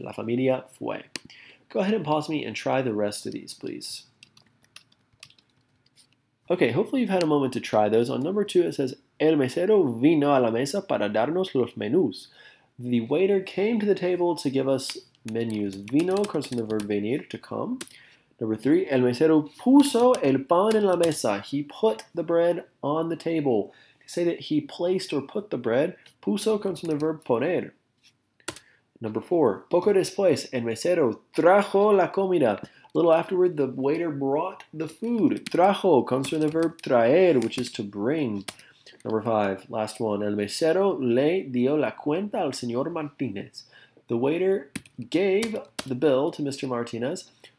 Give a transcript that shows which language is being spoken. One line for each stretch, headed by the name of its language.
Spanish: La familia fue.
English: Go ahead and pause me and try the rest of these, please. Okay, hopefully you've had a moment to try those. On number two, it says,
Spanish: el mesero vino a la mesa para darnos los menús.
English: The waiter came to the table to give us menus. Vino comes from the verb venir, to come. Number three,
Spanish: el mesero puso el pan en la mesa.
English: He put the bread on the table. To say that he placed or put the bread, puso comes from the verb poner. Number four,
Spanish: poco después, el mesero trajo la comida.
English: A little afterward, the waiter brought the food. Trajo comes from the verb traer, which is to bring. Number five, last one,
Spanish: el mesero le dio la cuenta al señor Martinez.
English: The waiter gave the bill to Mr. Martinez.